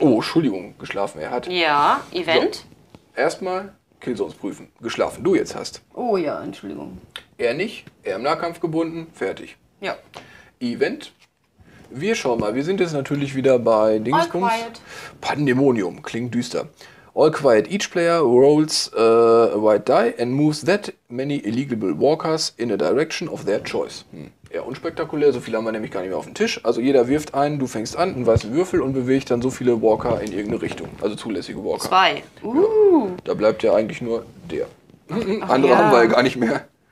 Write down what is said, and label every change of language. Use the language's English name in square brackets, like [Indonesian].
[German] Oh, Entschuldigung, geschlafen. Er hat. Ja, Event. So. Erstmal Killzones prüfen. Geschlafen. Du jetzt hast. Oh ja, Entschuldigung. Er nicht. Er im Nahkampf gebunden. Fertig. Ja. Event. Wir schauen mal. Wir sind jetzt natürlich wieder bei Dingskunst. All Quiet. Pandemonium. Klingt düster. All Quiet. [English] Each player rolls a white die and moves that many illegal walkers in a direction of their choice. [German] Ja, unspektakulär, so viel haben wir nämlich gar nicht mehr auf dem Tisch. Also jeder wirft einen, du fängst an, einen weißen Würfel und bewegt dann so viele Walker in irgendeine Richtung. Also zulässige Walker. 2. Ja, da bleibt ja eigentlich nur der. Andere haben wir ja gar nicht mehr.